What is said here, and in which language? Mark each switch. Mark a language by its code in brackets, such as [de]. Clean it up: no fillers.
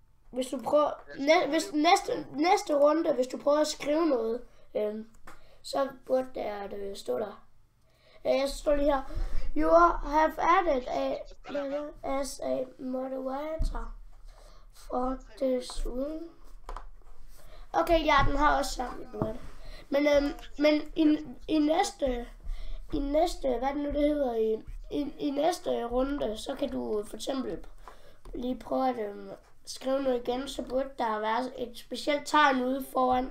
[da] Hvis du prøver næste runde, hvis du prøver at skrive noget, så burde det stå der. Jeg står lige her. [en] You have added as a moderator for this room. [da] Okay, ja, den har også sagt det. Men men i næste, hvad det nu det hedder i næste runde, så kan du for eksempel lige prøve at skrive noget igen, så burde der være et specielt tegn ude foran.